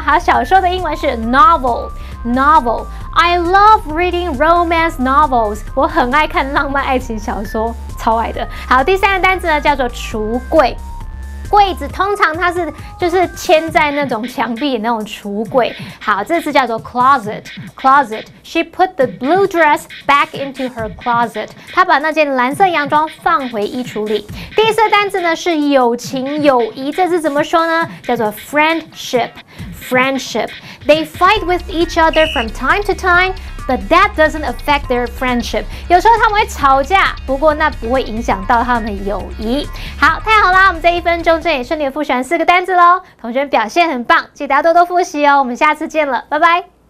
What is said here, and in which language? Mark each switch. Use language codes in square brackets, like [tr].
[zh] 好，小说的英文是 [en] novel。Novel. I love reading romance novels. [zh] 我很爱看浪漫爱情小说，超爱的。好，第三个单字呢叫做橱柜。柜子通常它是就是嵌在那种墙壁那种橱柜。好，这次叫做 closet。Closet. [en] She put the blue dress back into her closet. [zh] 她把那件蓝色洋装放回衣橱里。第四个单字呢是友情友谊，这次怎么说呢？叫做 friendship。Friendship. [en] They fight with each other from time to time. But that doesn't affect their friendship. [zh] 有时候他们会吵架，不过那不会影响到他们的友谊。好，太好啦！我们这一分钟这也顺利复习完四个单字喽。同学们表现很棒，记得要多多复习哦。我们下次见了，拜拜。